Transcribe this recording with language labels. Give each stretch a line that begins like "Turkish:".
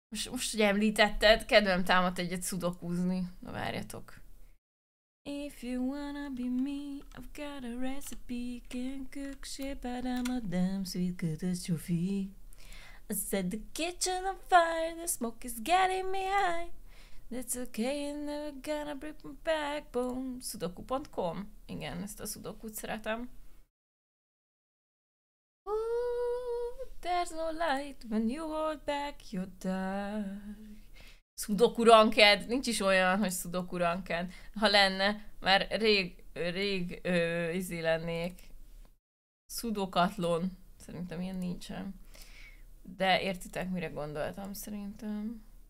Hungarian: Most, hogy említetted, kedvem támadt egyet sudokuzni, na várjatok.
English: If you wanna be me, I've got a recipe, can cook shit, but I'm a damn sweet catastrophe. I set the kitchen on fire, the smoke is getting me high. That's okay, I'm never gonna break my backbone. Sudoku.com.
Hungarian: Igen, ezt a sudokut szeretem.
English: Ooh, there's no light when you hold back your dark. Sudoku ranked.
Hungarian: Nincs is olyan, hogy sudoku ranked. Ha lenne, már rég lennék. Sudokatlon. Szerintem ilyen nincsen. De értitek, mire gondoltam szerintem.